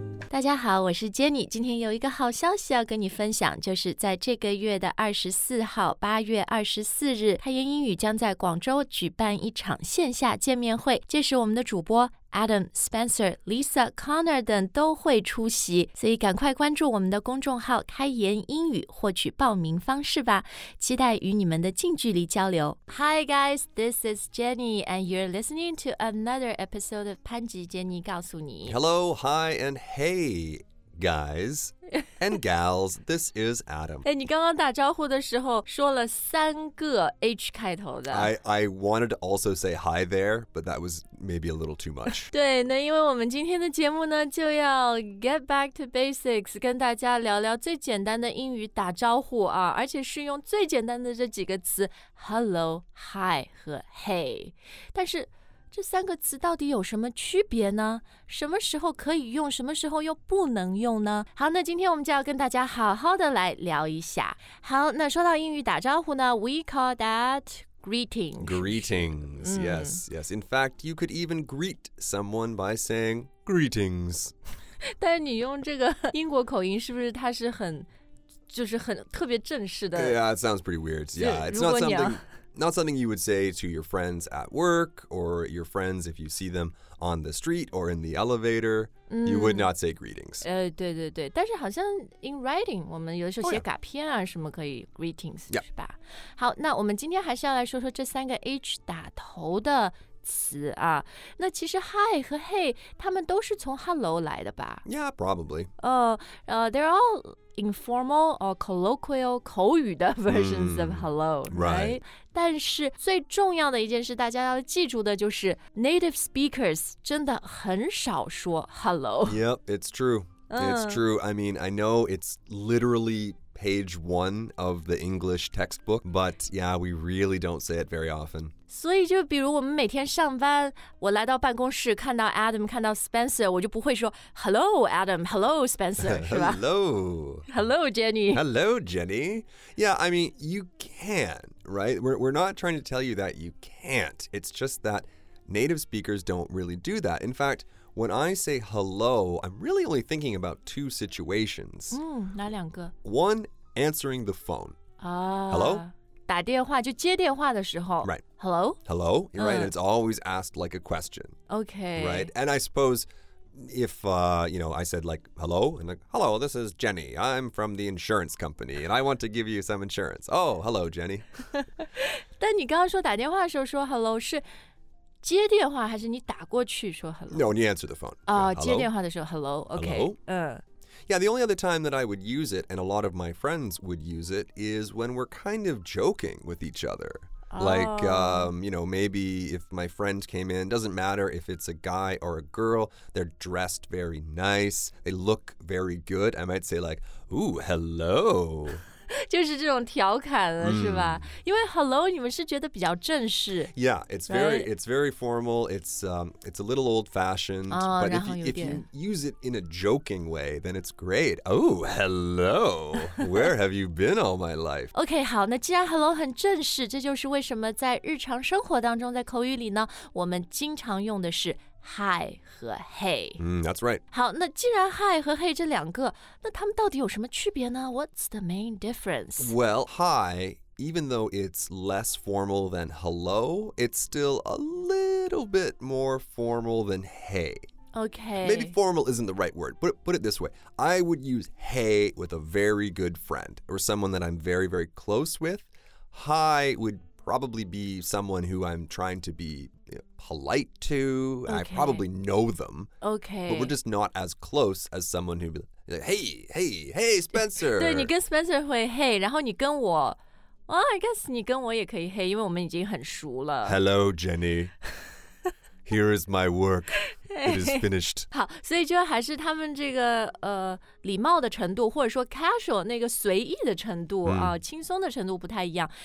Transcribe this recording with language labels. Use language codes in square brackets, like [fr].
[zh] 大家好，我是 Jenny， 今天有一个好消息要跟你分享，就是在这个月的24号，8月24日，开言英语将在广州举办一场线下见面会，届时我们的主播Adam, Spencer, Lisa, Connor 等都会出席，所以赶快关注我们的公众号开言英语获取报名方式吧，期待与你们的近距离交流。 [en] Hi guys, this is Jenny and you're listening to another episode of 潘吉 Jenny 告诉你。 Hello, hi and hey guys and gals, this is Adam. [zh] 哎，你刚刚打招呼的时候说了三个 H 开头的。 [en] I wanted to also say hi there, but that was maybe a little too much. [zh] 对，那因为我们今天的节目呢，就要 [en] get back to basics， [zh] 跟大家聊聊最简单的英语打招呼啊，而且是用最简单的这几个词 hello, hi 和 hey。但是这三个词到底有什么区别呢？什么时候可以用，什么时候又不能用呢？好，那今天我们就要跟大家好好的来聊一下。好，那说到英语打招呼呢， [en] We call that greetings. Greetings, yes, yes. In fact, you could even greet someone by saying greetings. [zh] 但你用这个英国口音是不是它是很，就是很特别正式的？ [en] Yeah, it sounds pretty weird. Yeah, it's not somethingNot something you would say to your friends at work or your friends if you see them on the street or in the elevator. You would not say greetings. [zh] 对对对，但是好像 [en] in writing, [zh] 我们有的时候写卡片啊、 [en] oh, yeah. [zh] 什么可以 greetings,、 [en] yeah. [zh] 是吧？好，那我们今天还是要来说说这三个 H 打头的词啊。那其实 hi 和 hey, 他们都是从 hello 来的吧？ [en] Yeah, probably. They're all... informal or colloquial 口语的 versions of hello, right? [zh] 但是最重要的一件事大家要记住的就是 [en] native speakers [zh] 真的很少说 hello. [en] Yep, it's true. It's true. I mean, I know it's literally page one of the English textbook, but yeah, we really don't say it very often. [zh] 所以就比如我们每天上班，我来到办公室看到 Adam 看到 Spencer， 我就不会说 [en] Hello Adam, Hello Spencer, [zh] 是吧？ [en] Hello. Hello Jenny. Hello Jenny. Yeah, I mean, you can, right? We're not trying to tell you that you can't. It's just that native speakers don't really do that. In fact, when I say hello, I'm really only thinking about two situations. [zh] 哪两个？ [en] One, answering the phone. Hello? [zh] 打电话就接电话的时候 [en] Right. Hello? Hello? You're right, and it's always asked like a question. Okay. Right? And I suppose if, you know, I said like, hello, and like, hello, this is Jenny. I'm from the insurance company, and I want to give you some insurance. Oh, hello, Jenny. [zh] 但你刚刚说打电话的时候说 hello 是接电话还是你打过去说 hello? [en] No, you answer the phone. Hello? [zh] 接电话的时候 hello, okay. [en] Hello? Yeah, the only other time that I would use it, and a lot of my friends would use it, is when we're kind of joking with each other. Like, you know, maybe if my friend came in, doesn't matter if it's a guy or a girl, they're dressed very nice, they look very good, I might say like, ooh, hello. [zh] 就是这种调侃了、是吧？因为 hello 你们是觉得比较正式。 [en] Yeah, it's very,、right? it's very formal, it's a little old-fashioned,、but if you use it in a joking way, then it's great. Oh, hello, where have you been all my life? [zh] OK, 好，那既然 hello 很正式，这就是为什么在日常生活当中，在口语里呢，我们经常用的是Hi 和 Hey. [en] That's right. [zh] 好，那既然 Hi 和 Hey 这两个，那他们到底有什么区别呢？ [en] What's the main difference? Well, Hi, even though it's less formal than Hello, it's still a little bit more formal than Hey. Okay. Maybe formal isn't the right word. Put it this way. I would use Hey with a very good friend or someone that I'm very, very close with. Hi would probably be someone who I'm trying to be... polite to, okay. I probably know them. Okay. But we're just not as close as someone who'd be like, hey, hey, hey, Spencer. [zh] 对，你跟 Spencer 会 hey, 然后你跟我 [en] well, I guess [zh] 你跟我也可以 hey, 因为我们已经很熟了。 [en] Hello, Jenny. Here is my work. It is finished. [zh] 好，所以就还是他们这个礼貌的程度，或者说 casual 那个随意的程度啊，轻松的程度不太一样。